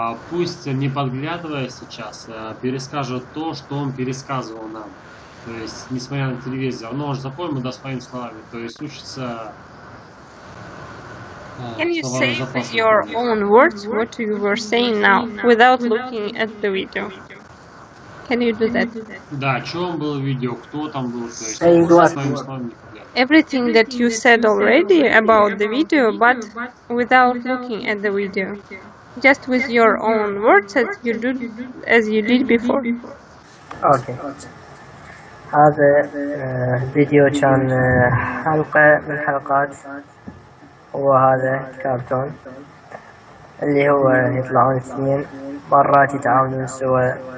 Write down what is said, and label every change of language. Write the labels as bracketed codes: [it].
[ru] Пусть не подглядывая сейчас, перескажет то, что он пересказывал нам. То есть, несмотря на телевизор, но он же запомнил, да, своими словами. То есть, учится... [en] Can you say with your own words what you were saying now, without looking at the video? Can you do that? [ru] Да, о чем было видео, кто там был, то есть, своими словами. [en] Everything that you said already about the video, but without looking at the video, just with your own words as you did before. Okay. [ar] هذا فيديو كان حلقة من حلقات وهذا كارتون اللي هو يطلعون اثنين مرات يتعاملون سوا